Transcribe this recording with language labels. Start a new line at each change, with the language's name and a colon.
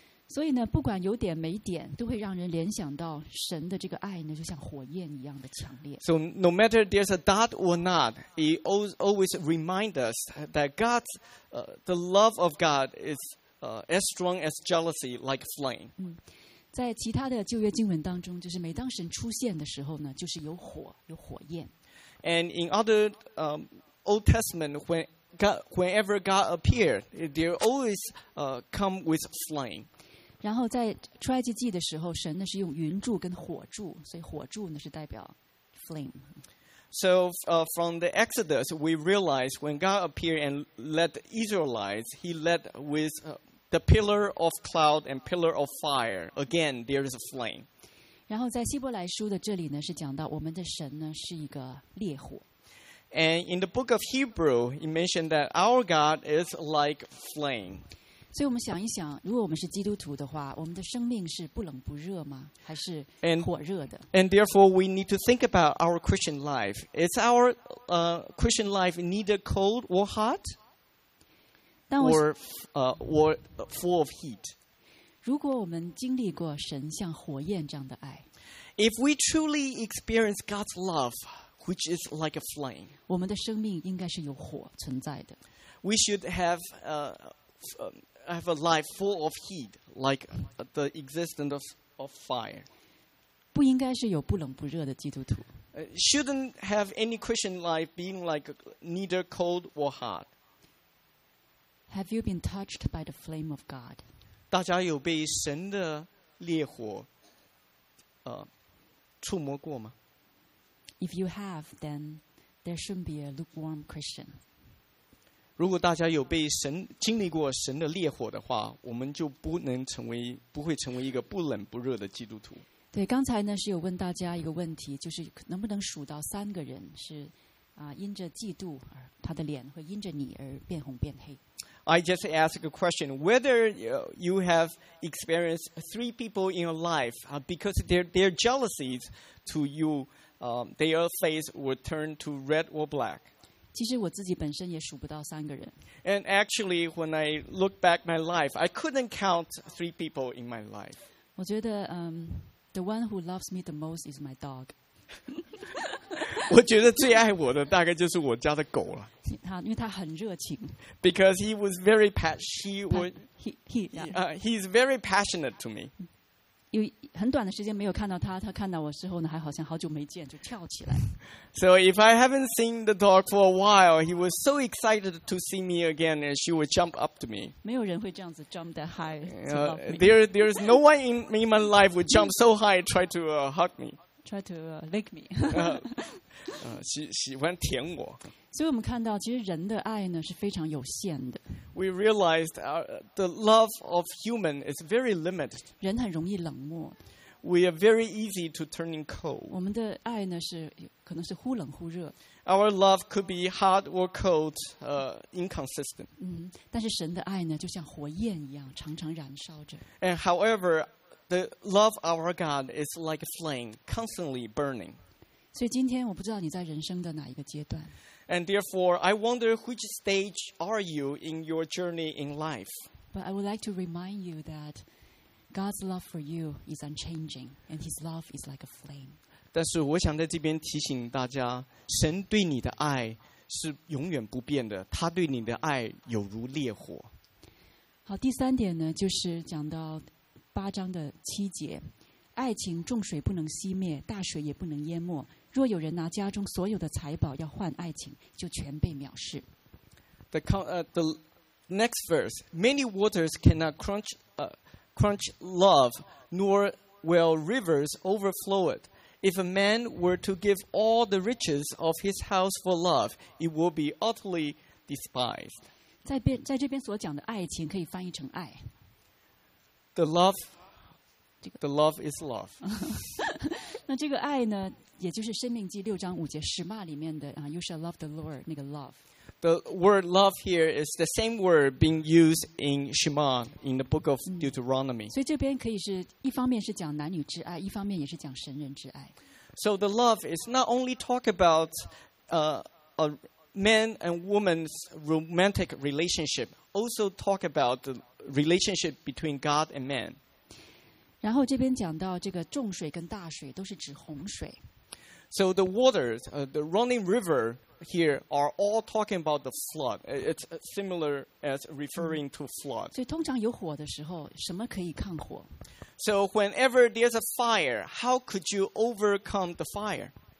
Chinese: 所以呢，不管有点没点，都会让人联想到神的这个爱呢，就像火焰一样的强烈。
English: So no matter there's a dot or not, it always reminds us that God's, the love of God is, as strong as jealousy, like flame.
Chinese: 在其他的旧约经文当中，就是每当神出现的时候呢，就是有火，有火焰。
English: And in other, Old Testament, whenever God appeared, they always, come with flame.
Chinese: 然后在出埃及记的时候，神呢是用云柱跟火柱，所以火柱呢是代表 flame。
English: So, from the Exodus, we realize when God appeared and led Israelites, He led with the pillar of cloud and pillar of fire. Again, there is a flame.
Chinese: 然后在希伯来书的这里呢，是讲到我们的神呢是一个烈火。
English: And in the book of Hebrew, it mentioned that our God is like flame.
Chinese: 所以我们想一想，如果我们是基督徒的话，我们的生命是不冷不热吗？还是火热的
English: and therefore, we need to think about our Christian life. Is our Christian life neither cold or hot, or full of heat?
Chinese: 如果我们经历过神像火焰这样的爱
English: if we truly experience God's love, which is like a flame,
Chinese: 我们的生命应该是有火存在的
English: We should have I have a life full of heat, like the existence of fire.
Chinese: 不应该是有不冷不热的基督徒。
English: Shouldn't have any Christian life being like neither cold or hot. Have you been touched by the flame of God?
Chinese: 大家有被神的烈火触摸过吗？
English: If you have, then there shouldn't be a lukewarm Christian.
Chinese: 如果大家有被神经历过神的烈火的话，我们就不能成为不会成为一个不冷不热的基督徒。对，刚才呢是有问大家一个问题，就是能不能数到三个人是因着嫉妒而他的脸会因着你而变红变黑。
English: I just ask a question: whether you have experienced three people in your life because their jealousies to you, their face would turn to red or black.
Chinese: 其实我自己本身也数不到三个人。
English: And actually, when I look back my life, I couldn't count three people in my life.
Chinese: 我觉得
English: the one who loves me the most is my dog.
Chinese: 我觉得最爱我的大概就是我家的狗了。他因为他很热情。
English: Because he was very passionate. He's very passionate to me.
Chinese: 有很短的时间没有看到他，他看到我之后呢，还好像好久没见，就跳起来。
English: So if I haven't seen the dog for a while, he was so excited to see me again, and she would jump up to me.
Chinese: 没有人会这样子
English: jump that high. There is no one in my life would jump so high, try to hug me. Try to lick me.
Chinese: 喜欢舔我。所以我们看到，其实人的爱呢是非常有限的。
English: We realized the love of human is very limited.
Chinese: 人很容易冷漠。
English: We are very easy to turning cold.
Chinese: 我们的爱呢是可能是忽冷忽热。
English: Our love could be hot or cold, inconsistent.
Chinese: 但是神的爱呢就像火焰一样，常常燃烧着。
English: And however, the love of our God is like a flame, constantly burning.
Chinese: 所以今天我不知道你在人生的哪一个阶段。
English: And therefore, I wonder which stage are you in your journey in life? But I would like to remind you that God's love for you is unchanging, and His love is like a flame. That
Chinese: 但是我想在这边提醒大家，神对你的爱是永远不变的，他对你的爱有如烈火。好，第三点呢，就是讲到八章的七节，爱情重水不能熄灭，大水也不能淹没，若有人拿家中所有的财宝要换爱情，就全被藐视。
English: The next verse, many waters cannot crunch love, nor will rivers overflow it. If a man were to give all the riches of his house for love, it would be utterly despised.
Chinese: 在这边所讲的爱情可以翻译成爱。
English: The love is love.
Chinese: 那这个爱呢，也就是《生命记》六章五节十骂里面的啊、，
English: You shall love the Lord
Chinese: 那个 love。
English: The word love here is the same word being used in Shema in the book of Deuteronomy.
Chinese: 所以这边可以是一方面是讲男女之爱，一方面也是讲神人之爱。
English: So the love is not only talk about a man and woman's romantic relationship, also talk about the relationship between God and man.
Chinese: 然后这边讲到这个重水跟大水都是指洪水。
English: So the waters, the running river. Here are all talking about the flood. It's similar as referring to flood.
Chinese: 所以通常有火的时候，什么可以抗火？
English: So whenever there's a fire, how could you overcome the fire?